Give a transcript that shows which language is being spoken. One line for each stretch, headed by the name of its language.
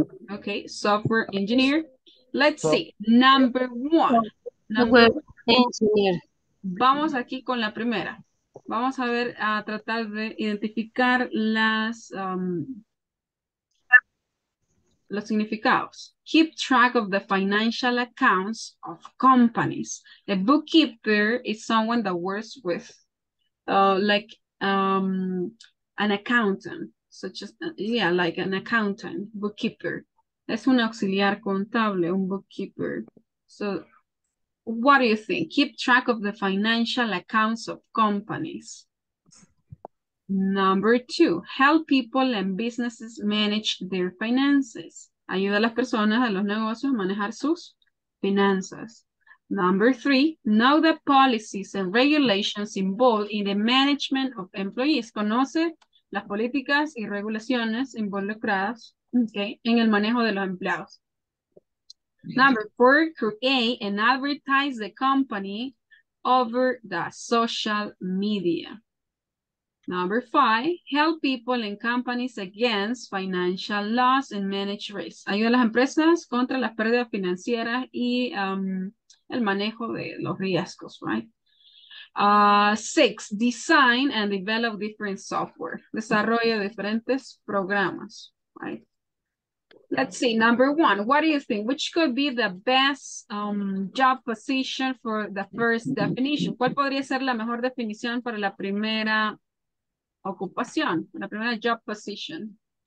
English: Okay, software engineer. Let's see. Number one. Software engineer.
Spanish: Vamos aquí con la primera. Vamos a ver, a tratar de identificar las los significados.
English: Keep track of the financial accounts of companies. A bookkeeper is someone that works with, like, an accountant. Such as, yeah, like an accountant, bookkeeper.
Spanish: Es un auxiliar contable, un bookkeeper.
English: So, what do you think? Keep track of the financial accounts of companies. Number two, help people and businesses manage their finances.
Spanish: Ayuda a las personas, a los negocios, a manejar sus finanzas.
English: Number three, know the policies and regulations involved in the management of employees.
Spanish: Conoce las políticas y regulaciones involucradas, okay, en el manejo de los empleados.
English: Number four, create and advertise the company over the social media. Number five, help people and companies against financial loss and manage risk.
Spanish: Ayuda a las empresas contra las pérdidas financieras y el manejo de los riesgos, right?
English: Six, design and develop different software.
Spanish: Desarrolla diferentes programas, right?
English: Let's see, number one, what do you think? Which could be the best job position for the first definition?
Spanish: ¿Cuál podría ser la mejor definición para la primera ocupación, la primera job position?